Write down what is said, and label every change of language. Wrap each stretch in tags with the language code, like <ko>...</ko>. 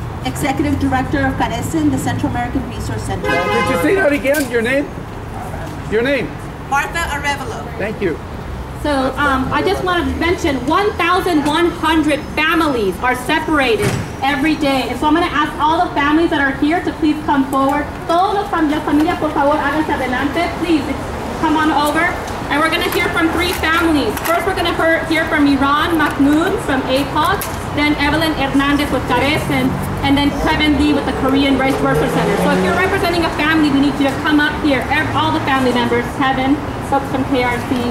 <en>Executive Director of Carecen, the Central American Resource Center. Did you say that again? Your name? Your name? Martha Arevalo. Thank you. So I just want to mention 1,100 families are separated every day. And so I'm going to ask all the families that are here to please come forward.</en> <es>Todos los familias, familia, por favor, háganse adelante.</es> <en>Please, come on over. And we're going to hear from three families. First, we're going to hear from Iran Mahmoud from APALC, then Evelyn Hernandez with Carecen, and then Kevin Lee with the Korean Rice Worker Center. So if you're representing a family, we need you to come up here, all the family members, Kevin, folks from KRC.</en>